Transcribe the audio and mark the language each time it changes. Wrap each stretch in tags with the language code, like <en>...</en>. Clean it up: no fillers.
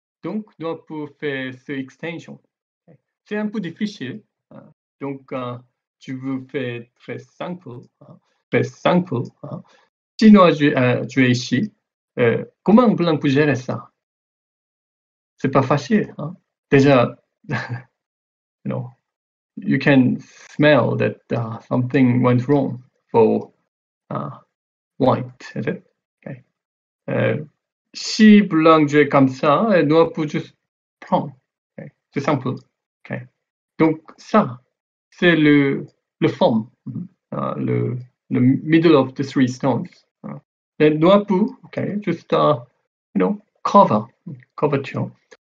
<fr>Donc, noir peut faire cette extension. Okay. C'est un peu difficile. Tu veux faire très simple. Très simple. Si noir joue ici, comment blanc peut gérer ça? C'est pas facile.</fr> <en>Déjà, you can smell that something went wrong for white, is it? Okay.</en> <fr>Si blanc joue comme ça, noir peut juste prendre. Okay. C'est simple. Okay. Donc, ça, c'est le fond, le</fr> <en>middle of the three stones.</en> <fr>Et noir peut, okay, juste couverture.</fr>